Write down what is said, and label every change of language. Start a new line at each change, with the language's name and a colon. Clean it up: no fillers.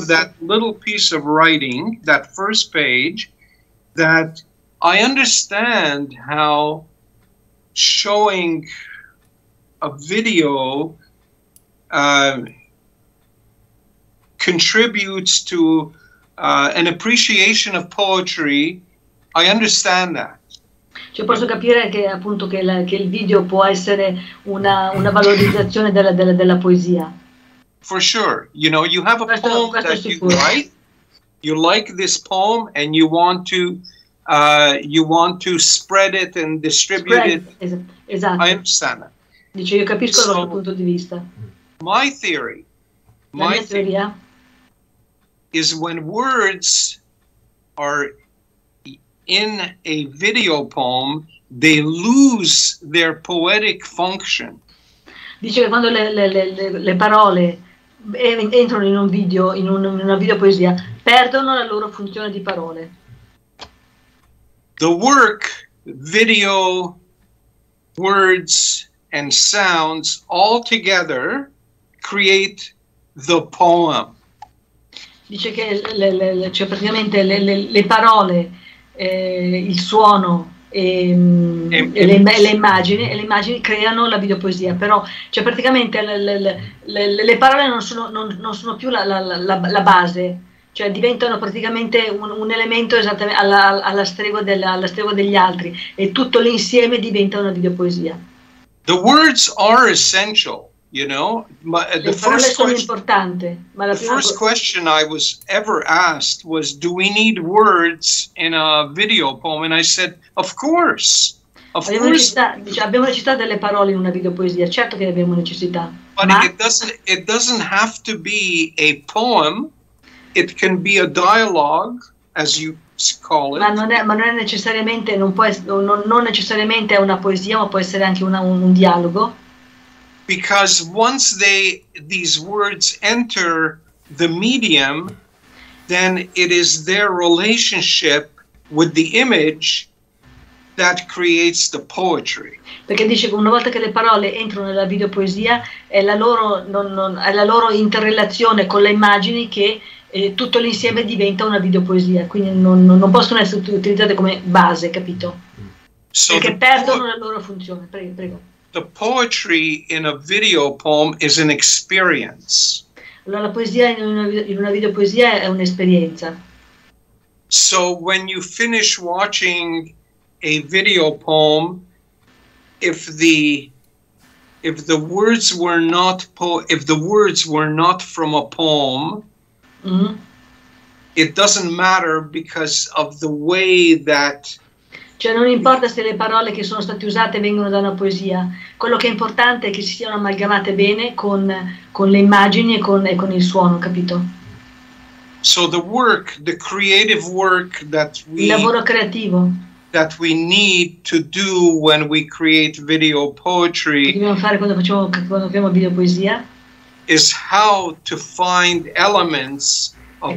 English: of that little piece of writing, that first page, that I understand how showing a video contributes to an appreciation of poetry, I understand that.
Italian: Cioè posso capire che appunto che il video può essere una valorizzazione della poesia.
English: For sure, you know, you have a poem that you write, you like this poem and you want to spread it and distribute it.
Italian: Esatto.
English: I understand that.
Italian: Dice io capisco dal punto di vista.
English: My theory. My theory. Is when words are in a video poem, they lose their poetic function.
Italian: Dice che quando le parole entrano in un video, in una video poesia, perdono la loro funzione di parole.
English: The work, video, words and sounds all together create the poem.
Italian: Dice che cioè praticamente le parole, il suono e le immagini creano la videopoesia, però cioè praticamente le parole non sono più la base, cioè diventano praticamente un elemento esattamente alla stregua degli altri e tutto l'insieme diventa una videopoesia.
English: The words are essential. You know, the first question, question I was ever asked was, do we need words in a video poem? And I said, of course.
Italian: Abbiamo necessità delle parole in una videopoesia, certo che abbiamo necessità.
English: But it doesn't have to be a poem. It can be a dialogue, as you call it.
Italian: Ma non è necessariamente, non può non necessariamente è una poesia, ma può essere anche un dialogo.
English: Because once these words enter the medium, then it is their relationship with the image that creates the poetry.
Italian: Perché dice che una volta che le parole entrano nella videopoesia, è la loro interrelazione con le immagini che tutto l'insieme diventa una videopoesia. Quindi non possono essere utilizzate come base, capito?
English: So
Italian: perché perdono la loro funzione. Prego.
English: The poetry in a video poem is an experience.
Italian: Allora la poesia in una videopoesia è un'esperienza.
English: So when you finish watching a video poem, if the words were not from a poem, mm-hmm. It doesn't matter because of the way that.
Italian: Cioè non importa se le parole che sono state usate vengono da una poesia. Quello che è importante è che si siano amalgamate bene con le immagini e con il suono, capito?
English: So the work, the creative work that we.
Italian: Il lavoro creativo.
English: That we need to do when we create video poetry.
Italian: Dobbiamo fare quando facciamo video poesia.
English: Is how to find elements of